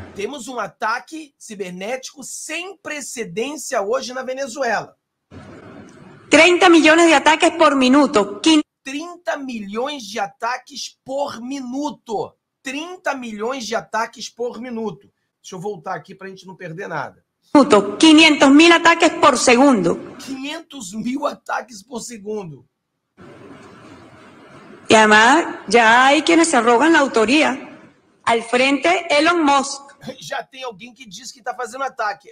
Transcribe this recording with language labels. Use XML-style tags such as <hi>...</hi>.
<pt>Temos um ataque cibernético sem precedência hoje na Venezuela. 30 milhões de ataques por minuto. 30 milhões de ataques por minuto. 30 milhões de ataques por minuto. Deixa eu voltar aqui para a gente não perder nada. minuto, 500 mil ataques por segundo. 500 mil ataques por segundo.</pt> <es>Y además, ya hay quienes se arrogan la autoría. Al frente, Elon Musk.</es> <pt>Já tem alguém que diz que está fazendo ataque.</pt>